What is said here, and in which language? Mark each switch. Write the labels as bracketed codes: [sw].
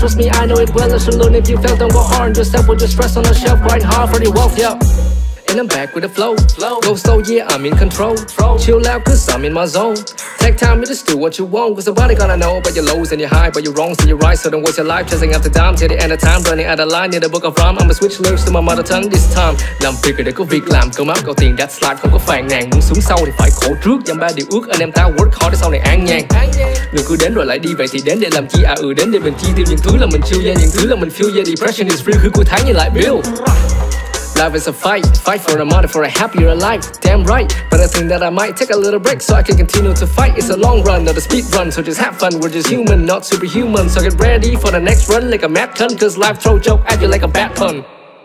[en] Trust me, I know it well, I should learn. If you fail, don't go hard on yourself. Put your stress on the shelf, grind hard for your wealth, yeah. And I'm back with the flow. Go slow, yeah, I'm in control. Chill out, cause I'm in my zone. Take time, you just do what you want. Cause nobody gonna know about your lows and your highs, but your wrongs and your rights. So don't waste your life chasing after dime. Till the end of time, running out of line. Need a book of rhyme. I'ma switch lyrics to my mother tongue this time. [vi] Làm việc để có việc làm, cơm áo gạo tiền, [en] that's life. [vi] Không có phàn nàn, muốn xuống sau thì phải khổ trước. Dăm ba điều ước anh em ta [en] work hard [vi] để sau này an nhàn. Người cứ đến rồi lại đi, vậy thì đến để làm chi? À ừ, đến để mình chi tiêu những thứ là mình chưa, yeah. Những thứ là mình feel, yeah. [en] Depression is real, [vi] cứ cuối tháng như lại bill. [en] Life is a fight, fight for a money, for a happier life. Damn right, but I think that I might take a little break so I can continue to fight. It's a long run, not a speed run, so just have fun. We're just human, not superhuman. So get ready for the next run like a mad cunt, cause life throw joke at you like a bad pun.